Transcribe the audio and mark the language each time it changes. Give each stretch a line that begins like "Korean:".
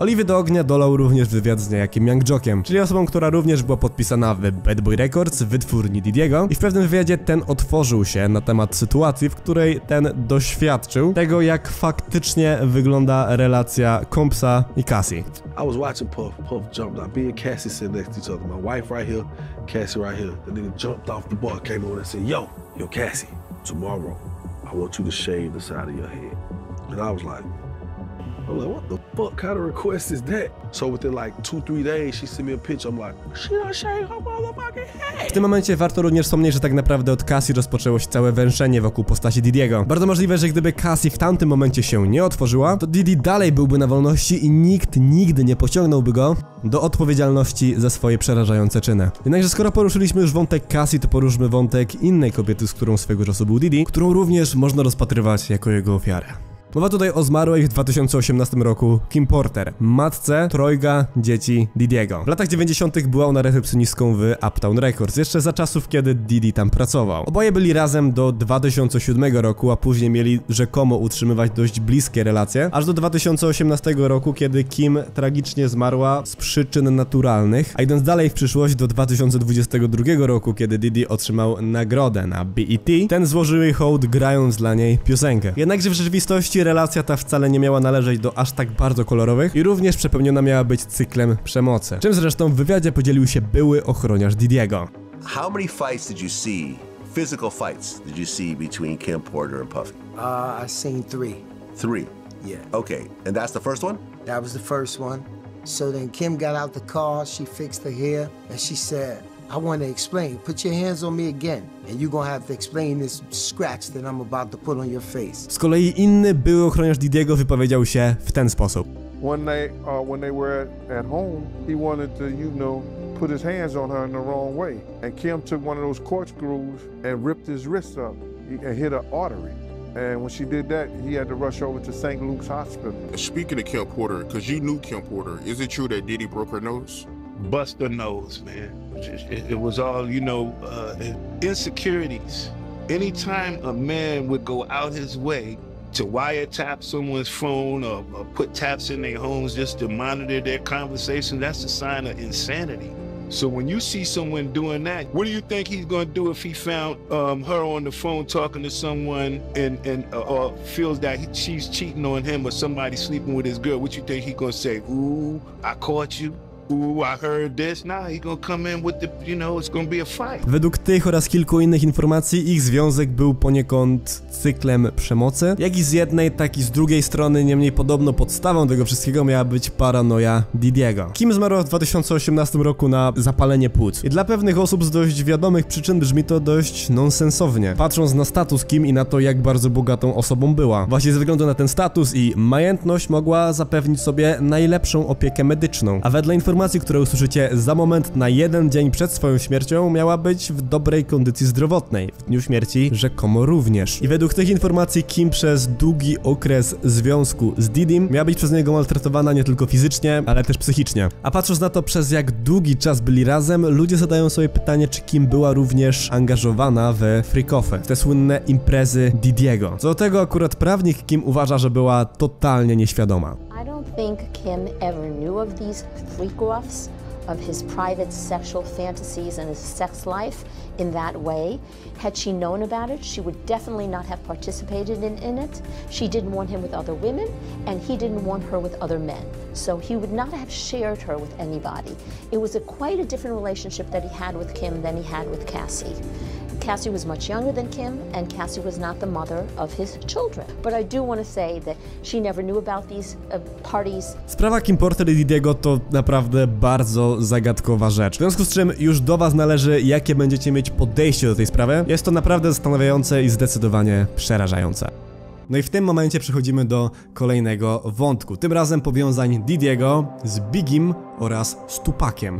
Polish: Oliwy do ognia dolał również wywiad z niejakim Young Jockiem, czyli osobą, która również była podpisana w Bad Boy Records, wytwórni Diddy'ego, i w pewnym wywiadzie ten otworzył się na temat sytuacji, w której ten doświadczył tego, jak faktycznie wygląda relacja Kompsa i Cassie.
English: I was watching Puff jump, like me and Cassie sitting next to each other, my wife right here, Cassie right here, the nigga jumped off the bar, came over and said, yo, Cassie, tomorrow, I want you to shave the side of your head. And I was like, what the fuck kind of request is that? So within like 2-3 days, she sent me a picture, I'm like, she done shaved her motherfucking head.
Polish: W tym momencie warto również wspomnieć, że tak naprawdę od Cassie rozpoczęło się całe węszenie wokół postaci Diddy'ego. Bardzo możliwe, że gdyby Cassie w tamtym momencie się nie otworzyła, to Diddy dalej byłby na wolności i nikt nigdy nie pociągnąłby go do odpowiedzialności za swoje przerażające czyny. Jednakże skoro poruszyliśmy już wątek Cassie, to poruszmy wątek innej kobiety, z którą swego czasu był Diddy, którą również można rozpatrywać jako jego ofiarę. Mowa tutaj o zmarłej w 2018 roku Kim Porter, matce trojga dzieci Diddy'ego. W latach 90. była ona recepcjonistką w Uptown Records, jeszcze za czasów, kiedy Diddy tam pracował. Oboje byli razem do 2007 roku, a później mieli rzekomo utrzymywać dość bliskie relacje, aż do 2018 roku, kiedy Kim tragicznie zmarła z przyczyn naturalnych, a idąc dalej w przyszłość do 2022 roku, kiedy Diddy otrzymał nagrodę na BET, ten złożył jej hołd, grając dla niej piosenkę. Jednakże w rzeczywistości relacja ta wcale nie miała należeć do aż tak bardzo kolorowych i również przepełniona miała być cyklem przemocy. Czym zresztą w wywiadzie podzielił się były ochroniarz Diddy'ego.
English: How many fights did you see? Physical fights did you see between Kim Porter and Puffy? I seen three. Three? Yeah. Okay, and that's the first one? That was the first one. So then Kim got out the car, she fixed her hair, and she said, I want to explain. Put your hands on me again, and you're gonna have to explain this scratch that I'm about to put on your face. Z kolei inny były ochroniarz Diddy'ego wypowiedział się w ten sposób. One night, when they were at home, he wanted to, put his hands on her in the wrong way, and Kim took one of those quartz screws and ripped his wrist up and hit an artery. And when she did that, he had to rush over to St. Luke's Hospital. Speaking of Kim Porter, because you knew Kim Porter, is it true that Diddy broke her nose? Bust her nose, man. It was all, insecurities. Anytime a man would go out his way to wiretap someone's phone or put taps in their homes just to monitor their conversation, that's a sign of insanity. So when you see someone doing that, what do you think he's going to do if he found her on the phone talking to someone and feels that she's cheating on him or somebody sleeping with his girl? What you think he's going to say? Ooh, I caught you. Ooh, I heard this. Nah, he's going to come in with the, you know, it's going to be a fight.
Polish: Według tych oraz kilku innych informacji, ich związek był poniekąd cyklem przemocy. Jak i z jednej, tak i z drugiej strony, niemniej podobno podstawą tego wszystkiego miała być paranoja Didiego. Kim zmarła w 2018 roku na zapalenie płuc. I dla pewnych osób z dość wiadomych przyczyn brzmi to dość nonsensownie, patrząc na status Kim i na to, jak bardzo bogatą osobą była. Właśnie ze względu na ten status i majętność mogła zapewnić sobie najlepszą opiekę medyczną. A wedle informacji, które usłyszycie za moment, na jeden dzień przed swoją śmiercią miała być w dobrej kondycji zdrowotnej. W dniu śmierci rzekomo również. I według tych informacji Kim przez długi okres związku z Didim miała być przez niego maltretowana nie tylko fizycznie, ale też psychicznie. A patrząc na to, przez jak długi czas byli razem, ludzie zadają sobie pytanie, czy Kim była również angażowana w freak-offy, w te słynne imprezy Didiego. Co do tego akurat prawnik Kim uważa, że była totalnie nieświadoma.
English: Think Kim ever knew of these freak-offs, of his private sexual fantasies and his sex life in that way. Had she known about it, she would definitely not have participated in it. She didn't want him with other women, and he didn't want her with other men. So he would not have shared her with anybody. It was quite a different relationship that he had with Kim than he had with Cassie. Cassie was much younger than Kim, and Cassie was not the mother of his children. But I do want to say that she never knew about these parties.
Polish: Sprawa Kim Porter i Didiego to naprawdę bardzo zagadkowa rzecz. W związku z czym już do was należy, jakie będziecie mieć podejście do tej sprawy. Jest to naprawdę zastanawiające i zdecydowanie przerażające. No i w tym momencie przechodzimy do kolejnego wątku. Tym razem powiązań Didiego z Bigim oraz z Tupakiem.